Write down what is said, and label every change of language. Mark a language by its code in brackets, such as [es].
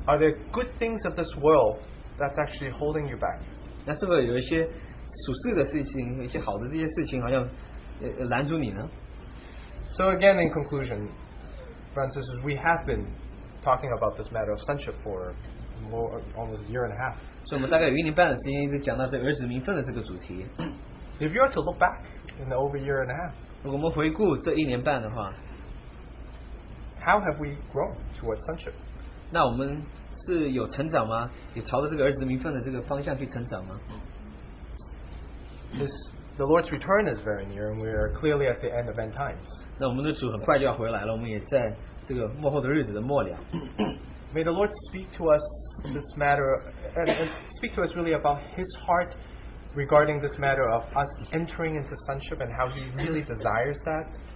[en] Are there good things of this world that's actually holding you back? [zh] 那是否有一些属世的事情，一些好的这些事情，好像拦住你呢？ [en] So again, in conclusion, Francis, we have been talking about this matter of sonship for more almost a year and a half. [zh] 所以我们大概有一年半的时间一直讲到这儿子名分的这个主题。 [en] If you are to look back in the over year and a half, [zh] 如果我们回顾这一年半的话, [en] how have we grown towards sonship? [zh] 那我们是有成长吗? 有朝着这个儿子名分的这个方向去成长吗? [en] The Lord's return is very near and we are clearly at the end of end times. [zh] 那我们的主很快就要回来了, 我们也在这个末后的日子的末了。 [en] May the Lord speak to us this matter and speak to us really about his heart regarding this matter of us entering into sonship and how he really desires that.